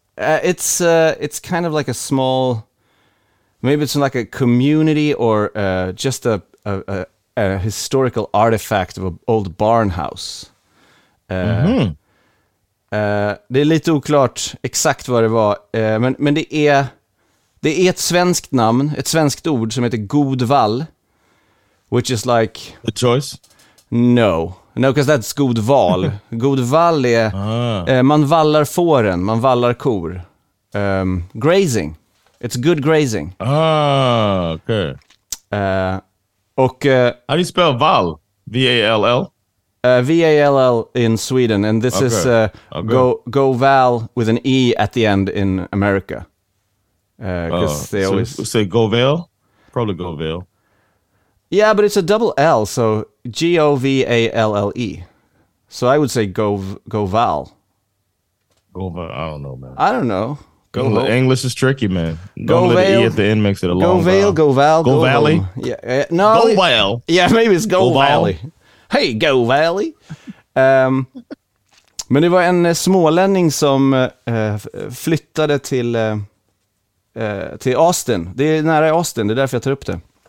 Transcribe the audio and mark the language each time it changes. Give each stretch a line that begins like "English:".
English: It's kind of like a small, maybe it's like a community or just a historical artifact of an old barn house.
Swedish: Det är lite oklart exakt vad det var, men det är. Det är ett svenskt namn, ett svenskt ord som heter Godvall,
English: which is like the choice. No, because that's Godval.
Swedish: Godvall är man vallar fåren, man vallar kor.
English: Grazing. It's good grazing. Okay.
Swedish: Och
English: how do you spell Val? V-A-L-L. V-A-L-L in Sweden, and this is Godval with an E at the end in America. Always say Govel, probably Govel. Yeah, but it's a double L, so G O V A L L E. So I would say Govel. Govel, I don't know, man. I don't know. Go home. English is tricky, man. Don't let the E at the end makes it a long Go Vale, Go Val, Go Valley. Yeah, no. Go Vale. Yeah, maybe it's Go Valley. Hey, Go Valley.
Swedish: men det var en smålänning som flyttade till till Austin. Det är nära Austin, det är därför jag tar upp det.